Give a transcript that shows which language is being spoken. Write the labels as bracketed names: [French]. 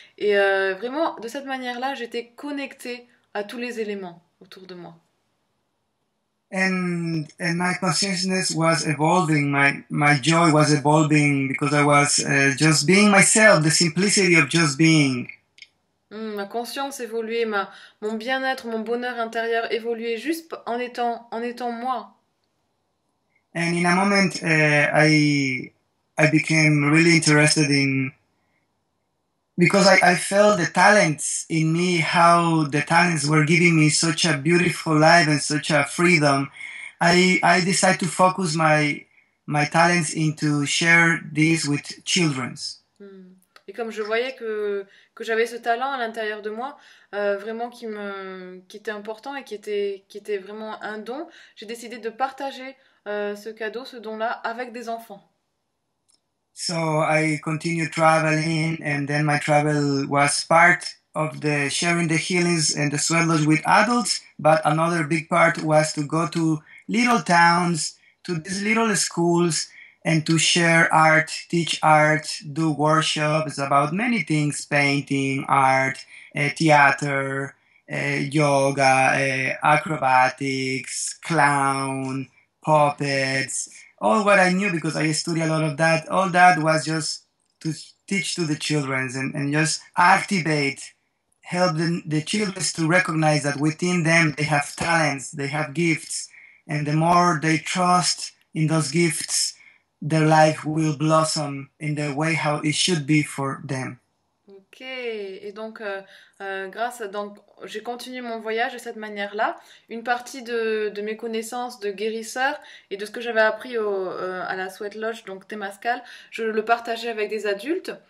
[French] Et vraiment, de cette manière-là, j'étais connectée à tous les éléments autour de moi. [English] And my consciousness was evolving. My joy was evolving because I was just being myself, the simplicity of just being. [French] Ma conscience évoluait, mon bien-être, mon bonheur intérieur évoluait juste en étant moi. [English] And in a moment, I became really interested in Because I felt the talents in me, how the talents were giving me such a beautiful life and such a freedom. I decided to focus my talents into share this with children's. [French] Et comme je voyais que j'avais ce talent à l'intérieur de moi, vraiment qui était important et qui était vraiment un don, j'ai décidé de partager ce cadeau, ce don-là, avec des enfants. [English] So I continued traveling, and then my travel was part of the sharing the healings and the swelters with adults. But another big part was to go to little towns, to these little schools, and to share art, teach art, do workshops about many things: painting, art, theater, yoga, acrobatics, clown, puppets. All what I knew, because I studied a lot of that, all that was just to teach to the children and just activate, help the children to recognize that within them they have talents, they have gifts, and the more they trust in those gifts, their life will blossom in the way how it should be for them. [French] Ok, et donc grâce à, donc j'ai continué mon voyage de cette manière-là. Une partie de mes connaissances de guérisseur et de ce que j'avais appris à la Sweat Lodge, donc Temazcal, je le partageais avec des adultes.